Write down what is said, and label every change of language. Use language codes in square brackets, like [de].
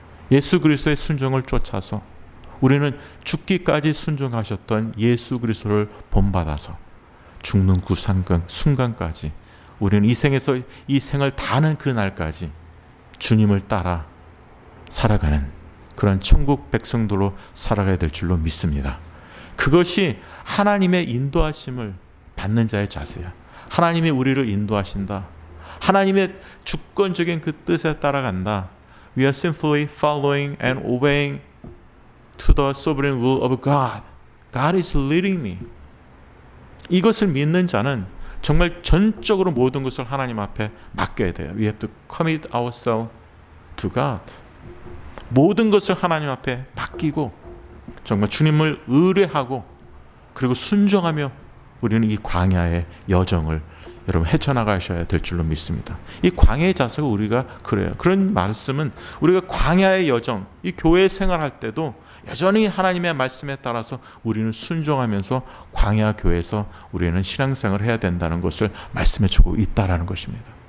[ko] 예수 그리스도의 순종을 쫓아서 우리는 죽기까지 순종하셨던 예수 그리스도를 본받아서 죽는 그 순간까지 우리는 이 생을 다하는 그날까지 주님을 따라 살아가는 그런 천국 백성들로 살아가야 될 줄로 믿습니다. 그것이 하나님의 인도하심을 받는 자의 자세야. 하나님이 우리를 인도하신다. 하나님의 주권적인 그 뜻에 따라간다. [en] We are simply following and obeying to the sovereign will of God. God is leading me. [ko] 이것을 믿는 자는 정말 전적으로 모든 것을 하나님 앞에 맡겨야 돼요. [en] We have to commit ourselves to God. [ko] 모든 것을 하나님 앞에 맡기고 정말 주님을 의뢰하고 그리고 순종하며 우리는 이 광야의 여정을 여러분 헤쳐나가셔야 될 줄로 믿습니다. 이 광야의 자세가 우리가 그래요. 그런 말씀은 우리가 광야의 여정, 이 교회 생활할 때도 여전히 하나님의 말씀에 따라서 우리는 순종하면서 광야 교회에서 우리는 신앙생활을 해야 된다는 것을 말씀해 주고 있다라는 것입니다.